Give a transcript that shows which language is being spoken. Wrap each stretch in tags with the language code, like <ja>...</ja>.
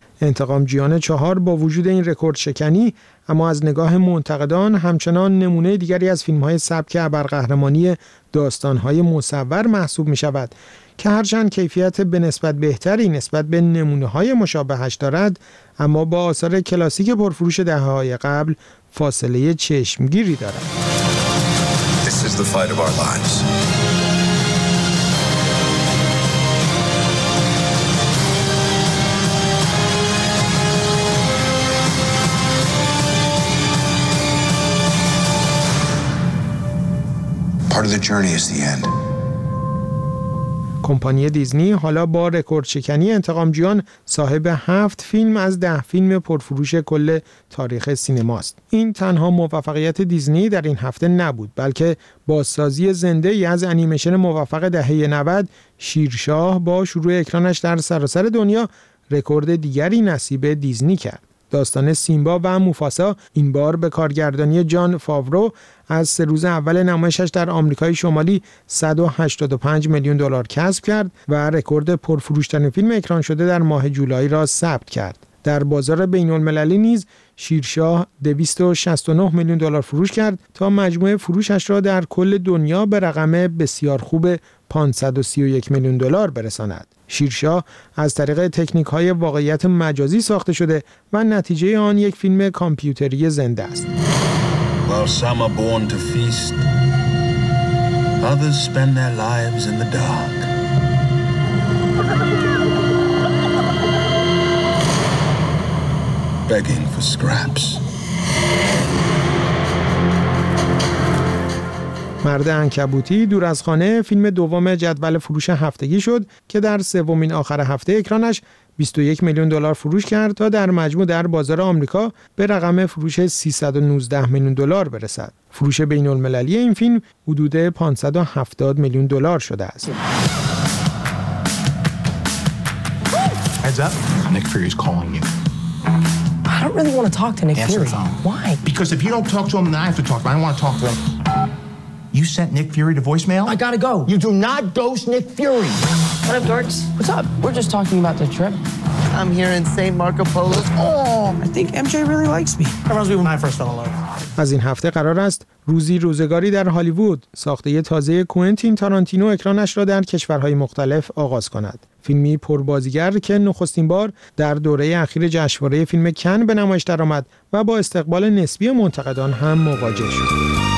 <fa>انتقام جیان 4 با وجود این رکورد شکنی، اما از نگاه منتقدان همچنان نمونه دیگری از فیلم‌های سبک ابرقهرمانی داستان‌های مصور محسوب می‌شود که هرچند کیفیت به نسبت بهتری نسبت به نمونه‌های مشابهش دارد، اما با آثار کلاسیک پرفروش دهه‌های قبل فاصله چشمگیری دارد.</fa> <en>This is the fight of our lives. Part of the journey is the end.</en> <fa>کمپانی دیزنی حالا با رکوردشکنی انتقام جیان صاحب 7 فیلم از 10 فیلم پرفروش کل تاریخ سینماست. این تنها موفقیت دیزنی در این هفته نبود، بلکه بازسازی زنده ای از انیمیشن موفق دهه 90 شیرشاه با شروع اکرانش در سراسر دنیا رکورد دیگری نصیب دیزنی کرد. داستان سیمبا و موفاسا این بار به کارگردانی جان فاورو از 3 روز اول نمایشش در آمریکای شمالی 185 میلیون دلار کسب کرد و رکورد پرفروش‌ترین فیلم اکران شده در ماه جولای را ثبت کرد. در بازار بین‌المللی نیز شیرشاه 269 میلیون دلار فروش کرد تا مجموع فروشش را در کل دنیا به رقم بسیار خوب 531 میلیون دلار برساند. شیرشاه از طریق تکنیک‌های واقعیت مجازی ساخته شده و نتیجه آن یک فیلم کامپیوتری زنده است.</fa> <en>While some are born to feast, others spend their lives in the dark. Begging for scraps.</en> <fa>مرد عنکبوتی دور از خانه فیلم دوم جدول فروش هفتگی شد که در 3 آخر هفته اکرانش 21 میلیون دلار فروش کرد تا در مجموع در بازار آمریکا به رقم فروش 319 میلیون دلار برسد. فروش بین المللی این فیلم حدود 570 میلیون دلار شده است.</fa> <en>Heads up. Nick Fury is calling you. I don't really want to talk to Nick Fury. Why? Because if you don't talk to him, then I have to talk. I want to talk to him. You sent Nick Fury to voicemail? I gotta go. You do not ghost Nick Fury. What up, dorks? What's up? We're just talking about the trip. I'm here in St. Marco Polo. Oh, I think MJ really likes me. Everyone's been my first fellow.</en> <fa>از این هفته قرار است روزی روزگاری در هالیوود ساخته تازه کوئنتین تارانتینو اکرانش را در کشورهای مختلف آغاز کند. فیلمی پربازیگر که نخستین بار در دوره اخیر جشنواره فیلم کن به نمایش درآمد و با استقبال نسبی منتقدان هم مواجه شد.</fa>